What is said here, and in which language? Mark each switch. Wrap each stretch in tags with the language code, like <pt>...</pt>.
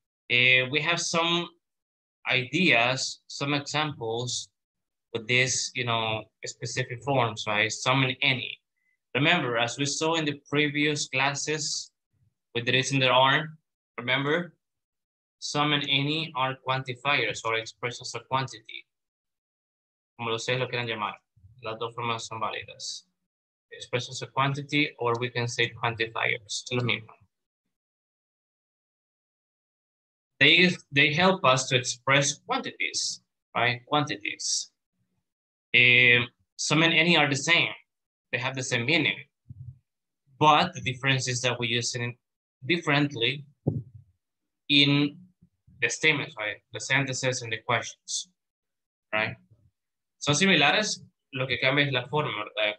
<en>We have some ideas, some examples with this, you know, specific forms, right? Some and any. Remember, as we saw in the previous classes with the reason there are, remember, some and any are quantifiers or expressions of quantity.</en> <es>Como ustedes lo quieran llamar, las dos formas son válidas.</es> <en>Expressions of quantity, or we can say quantifiers,</en> <es>lo mismo.</es> <en>They help us to express quantities, right? Quantities. Some and any are the same. They have the same meaning. But the difference is that we use it differently in the statements, right? The sentences and the questions, right?</en> <es>Son similares, lo que cambia es la forma, ¿verdad?</es>